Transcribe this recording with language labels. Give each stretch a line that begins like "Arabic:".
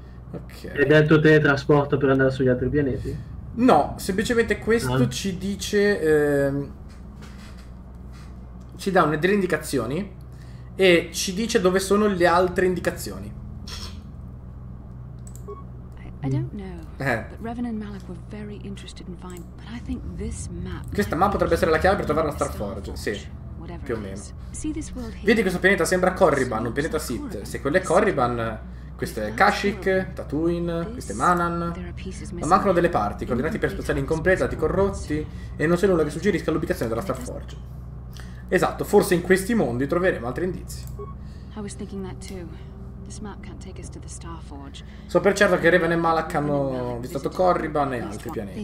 Italian: Ed okay. È il tuo teletrasporto per andare sugli altri pianeti? No, semplicemente questo ci dice... ci dà delle indicazioni e ci dice dove sono le altre indicazioni.
English: I don't know, but Revan and Malak were very interested in finding. But I think this map.
Italian: Questa mappa potrebbe essere la chiave per trovare la Starforge. Sì, più o meno. Vedi questo pianeta? Sembra Corriban, un pianeta Sith. Se quello è Corriban, questo è Kashyyyk, Tatooine, questo è Manan. Ma mancano delle parti, coordinati per spaziali incomplete, dati corrotti, e non c'è nulla che suggerisca l'ubicazione della Starforge. Esatto, forse in questi mondi troveremo altri indizi.
English: I was thinking that too. This map can't take us to the Starforge.
Italian: So per certo che Revan e Malak hanno visitato Corriban e altri pianeti.